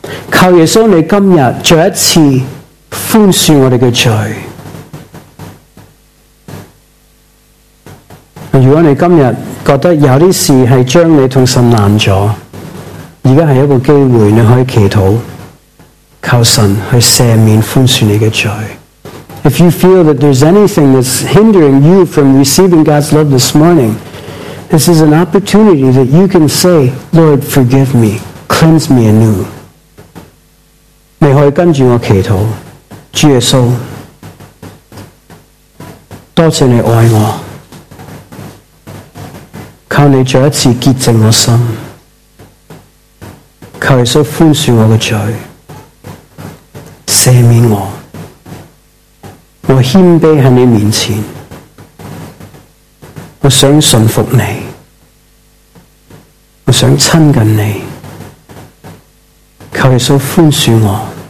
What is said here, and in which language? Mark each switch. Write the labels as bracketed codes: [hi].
[zh] 靠耶稣，你今天再一次宽恕我们的罪。如果你今天觉得有些事是将你和神拦了，现在是一个机会，你可以祈祷求神去赦免宽恕你的罪。 [en] If you feel that there's anything that's hindering you from receiving God's love this morning, this is an opportunity that you can say, Lord, forgive me, cleanse me anew. [zh] 你可以跟着我祈祷，主耶稣，多谢你爱我，靠你再一次洁净我心，求耶稣宽恕我的罪，赦免我，我谦卑在你面前，我想顺服你，我想亲近你，求耶稣宽恕我，